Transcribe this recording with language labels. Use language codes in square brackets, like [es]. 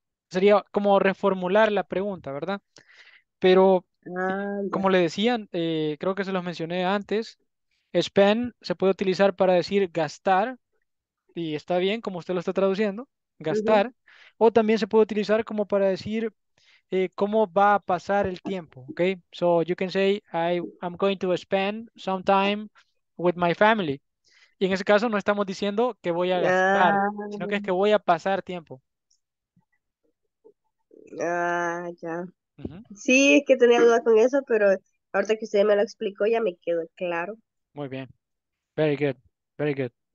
[es] Sería como reformular la pregunta, ¿verdad? Pero, como le decían, creo que se los mencioné antes, spend se puede utilizar para decir gastar, y está bien, como usted lo está traduciendo, gastar, o también se puede utilizar como para decir cómo va a pasar el tiempo, ¿ok? [en] So you can say, I'm going to spend some time with my family. [es] Y en ese caso no estamos diciendo que voy a gastar, sino que es que voy a pasar tiempo. Sí, es que tenía duda con eso, pero ahorita que usted me lo explicó ya me quedó claro. Muy bien. [en] Very good. Very good.